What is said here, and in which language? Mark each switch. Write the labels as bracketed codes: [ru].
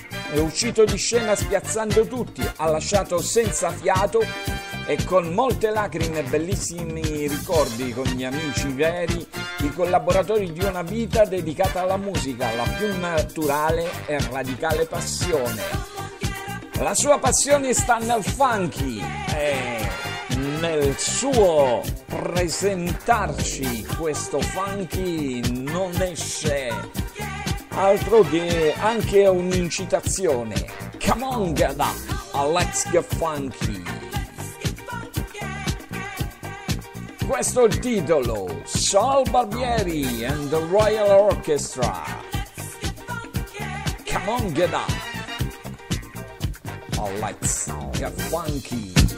[it] È uscito di scena spiazzando tutti, ha lasciato senza fiato e con molte lacrime bellissimi ricordi con gli amici veri, i collaboratori di una vita dedicata alla musica, la più naturale e radicale passione. La sua passione sta nel funky e nel suo presentarci questo funky non esce altro che anche un'incitazione. [en] Come on, get up, let's get funky. [it] questo è il titolo, Saul Barbieri and the Royal Orchestra. [en] Come on, get up. All lights get funky.